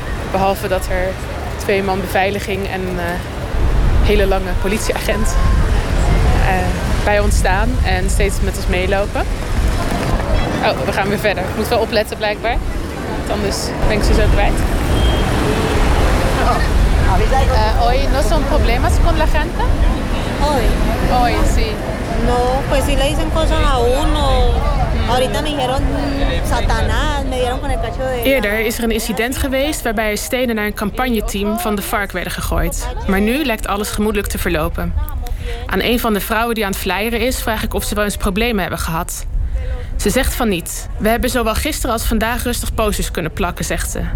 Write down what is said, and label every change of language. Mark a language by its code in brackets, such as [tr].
[nl] Behalve dat er twee man beveiliging en een hele lange politieagent bij ons staan. En steeds met ons meelopen. Oh, we gaan weer verder. Ik moet wel opletten blijkbaar. Want anders ben ik ze zo kwijt. [es] Hoy no son problemas con la gente? Hoy, sí. No, pues sí le dicen cosas a uno. Ahorita me dijeron Satanás, me dieron con el cacho de... [nl] Eerder is er een incident geweest waarbij stenen naar een campagneteam van de FARC werden gegooid. Maar nu lijkt alles gemoedelijk te verlopen. Aan een van de vrouwen die aan het flyeren is, vraag ik of ze wel eens problemen hebben gehad. Ze zegt van niet. We hebben zowel gisteren als vandaag rustig posters kunnen plakken, zegt ze.